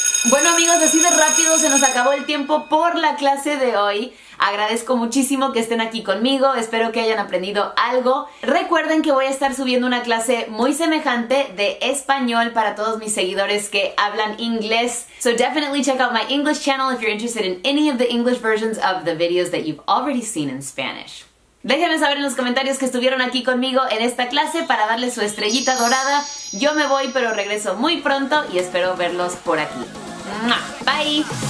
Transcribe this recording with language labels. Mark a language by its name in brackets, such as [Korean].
[Spanish] Bueno amigos, así de rápido se nos acabó el tiempo por la clase de hoy. Agradezco muchísimo que estén aquí conmigo, espero que hayan aprendido algo. Recuerden que voy a estar subiendo una clase muy semejante de español para todos mis seguidores que hablan inglés. [English] So definitely check out my English channel if you're interested in any of the English versions of the videos that you've already seen in Spanish. [Spanish] Déjenme saber en los comentarios que estuvieron aquí conmigo en esta clase para darle su estrellita dorada. Yo me voy, pero regreso muy pronto y espero verlos por aquí. ¡Mua! ¡Bye!